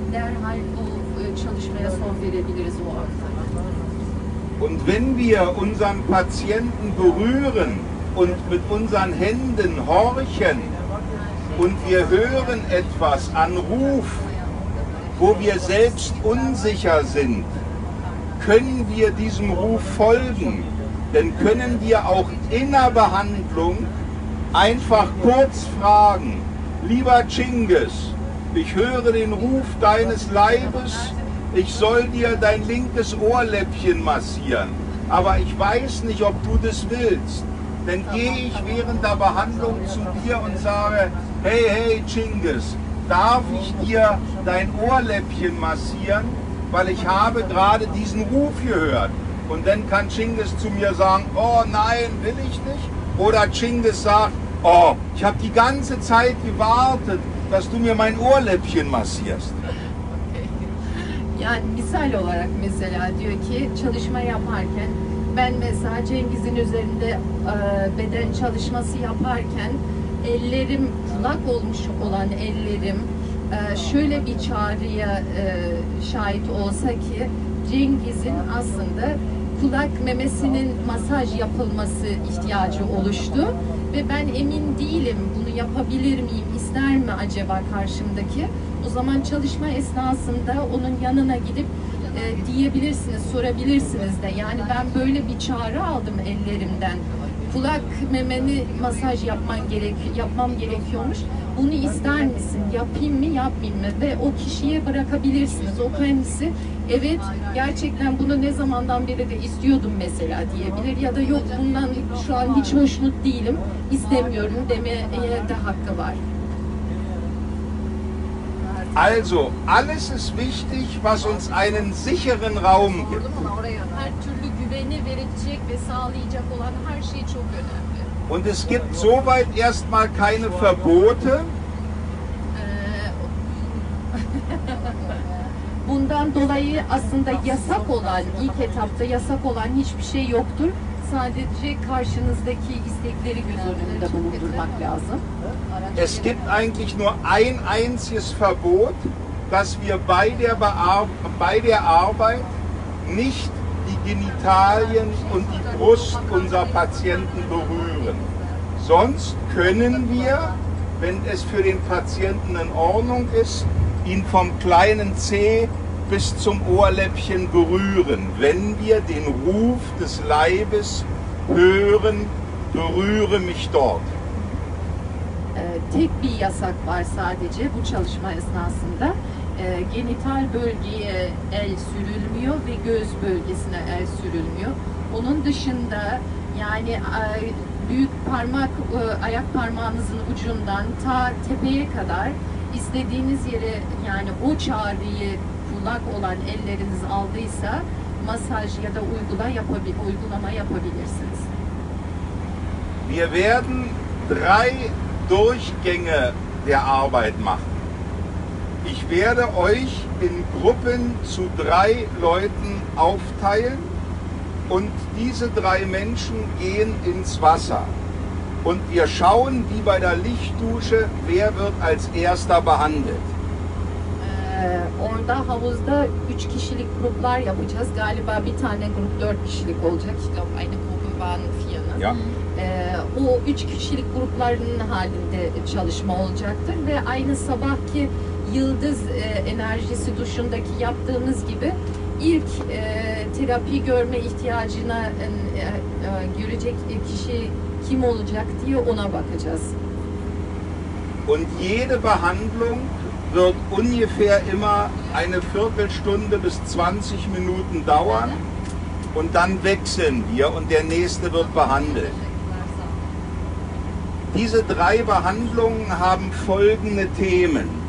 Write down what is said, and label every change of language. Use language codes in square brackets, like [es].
[tr] Derhal o çalışmaya son verebiliriz o anda. [de] Und wenn wir unseren Patienten berühren und mit unseren Händen horchen und wir hören etwas an Ruf, wo wir selbst unsicher sind, können wir diesem Ruf folgen, dann können wir auch in der Behandlung einfach kurz fragen, lieber Chinggis, ich höre den Ruf deines Leibes, ich soll dir dein linkes Ohrläppchen massieren, aber ich weiß nicht, ob du das willst, dann gehe ich während der Behandlung zu dir und sage, hey Chinggis, darf ich dir dein Ohrläppchen massieren? Weil ich habe gerade diesen Ruf gehört. Und dann kann Chinggis zu mir sagen, oh nein, will ich nicht. Oder Chinggis sagt, oh, ich habe die ganze Zeit gewartet, dass du mir mein Ohrläppchen massierst. Okay. [tr] Yani misal olarak mesela diyor ki, çalışma yaparken, ben mesela Chinggis'in üzerinde beden çalışması yaparken, ellerim, kulak olmuş olan ellerim, şöyle bir çağrıya şahit olsa ki Cengiz'in aslında kulak memesinin masaj yapılması ihtiyacı oluştu ve ben emin değilim bunu yapabilir miyim, ister mi acaba karşımdaki? O zaman çalışma esnasında onun yanına gidip diyebilirsiniz, sorabilirsiniz de. Yani ben böyle bir çağrı aldım ellerimden. Kulak memeni masaj yapmam gerekiyormuş. Bunu ister misin? Yapayım mı, yapmayayım mı? Ve o kişiye bırakabilirsiniz. O kendisi, evet gerçekten bunu ne zamandan beri de istiyordum mesela diyebilir. Ya da yok bundan şu an hiç hoşnut değilim, istemiyorum demeye de hakkı var. [de] Also, alles ist wichtig, was uns einen sicheren Raum gibt. [tr] Her türlü güveni verecek ve sağlayacak olan her şey çok önemli. [de] Und es gibt soweit erstmal keine Verbote. [tr] Bundan dolayı aslında yasak olan, ilk etapta yasak olan hiçbir şey yoktur. Sadece karşınızdaki istekleri göz önünde bulundurmak lazım. [de] Es gibt eigentlich nur ein einziges Verbot, dass wir bei der Arbeit nicht die Genitalien und die Brust unserer Patienten berühren. Sonst können wir, wenn es für den Patienten in Ordnung ist, ihn vom kleinen Zeh bis zum Ohrläppchen berühren, wenn wir den Ruf des Leibes hören, berühre mich dort. [tr] Tek bir yasak var sadece bu çalışma esnasında. Genital bölgeye el sürülmüyor ve göğüs bölgesine el sürülmüyor. Onun dışında yani büyük parmak, ayak parmağınızın ucundan ta tepeye kadar istediğiniz yere, yani o çağrıyı kulak olan elleriniz aldıysa masaj ya da uygulama yapabilirsiniz. [de] Wir werden drei Durchgänge der Arbeit machen. Ich werde euch in Gruppen zu drei Leuten aufteilen und diese drei Menschen gehen ins Wasser. Und wir schauen, wie bei der Lichtdusche, wer wird als erster behandelt. [tr] Orada havuzda 3 kişilik gruplar yapacağız. Galiba bir tane grup 4 kişilik olacak. İşte aynı grubun van fiyanı. [de] Ja. [tr] O 3 kişilik grupların halinde çalışma olacaktır. Ve aynı sabahki yıldız enerjisi duşundaki yaptığımız gibi ilk terapi görme ihtiyacına görecek kişi kim olacak diye ona bakacağız. [de] Und jede Behandlung wird ungefähr immer eine Viertelstunde bis 20 Minuten dauern und dann wechseln wir und der nächste wird behandelt. Diese drei Behandlungen haben folgende Themen.